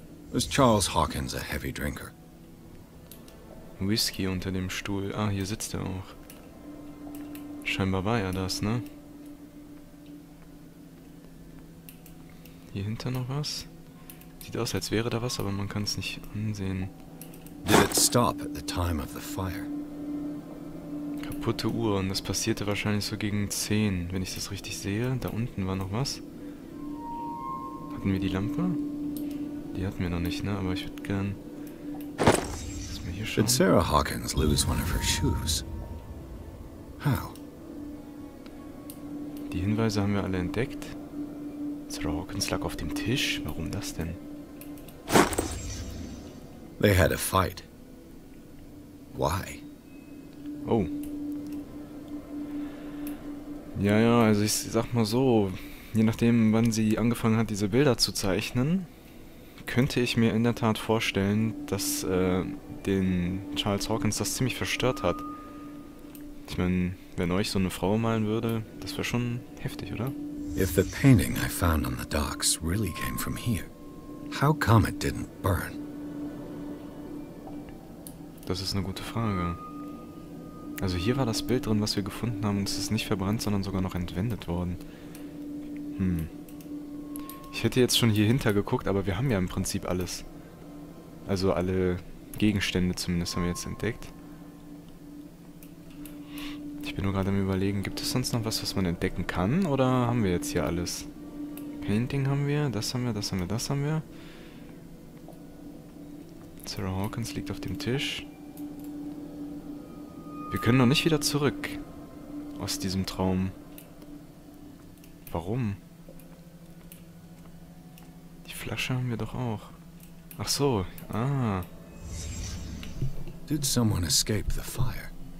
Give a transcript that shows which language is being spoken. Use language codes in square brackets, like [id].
[en] Was Charles Hawkins a heavy drinker? [de] Whisky unter dem Stuhl. Ah, hier sitzt er auch. Scheinbar war er das, ne? Hier hinter noch was? Sieht aus, als wäre da was, aber man kann es nicht ansehen. [en] Did it stop at the time of the fire? [de] Kaputte Uhr, und das passierte wahrscheinlich so gegen 10, wenn ich das richtig sehe. Da unten war noch was. Hatten wir die Lampe? Die hatten wir noch nicht, ne? Aber ich würde gern... Lass mal hier schauen. [en] Did Sarah Hawkins lose one of her shoes? How? [de] Die Hinweise haben wir alle entdeckt. Sarah Hawkins lag auf dem Tisch. Warum das denn? [en] They had a fight. Why? Oh. [de] Ja, ja, also ich sag mal so, je nachdem, wann sie angefangen hat, diese Bilder zu zeichnen, könnte ich mir in der Tat vorstellen, dass den Charles Hawkins das ziemlich verstört hat. Ich meine, wenn euch so eine Frau malen würde, das wäre schon heftig, oder? [en] If the painting I found on the docks really came from here, how come it didn't burn? [de] Das ist eine gute Frage. Also hier war das Bild drin, was wir gefunden haben, und es ist nicht verbrannt, sondern sogar noch entwendet worden. Hm. Ich hätte jetzt schon hier hinter geguckt, aber wir haben ja im Prinzip alles. Also alle Gegenstände zumindest haben wir jetzt entdeckt. Ich bin nur gerade am Überlegen, gibt es sonst noch was, was man entdecken kann, oder haben wir jetzt hier alles? Painting haben wir, das haben wir, das haben wir, das haben wir. Sarah Hawkins liegt auf dem Tisch. Wir können noch nicht wieder zurück aus diesem Traum. Warum? Die Flasche haben wir doch auch. Ach so, ah. [en] Did someone escape the fire?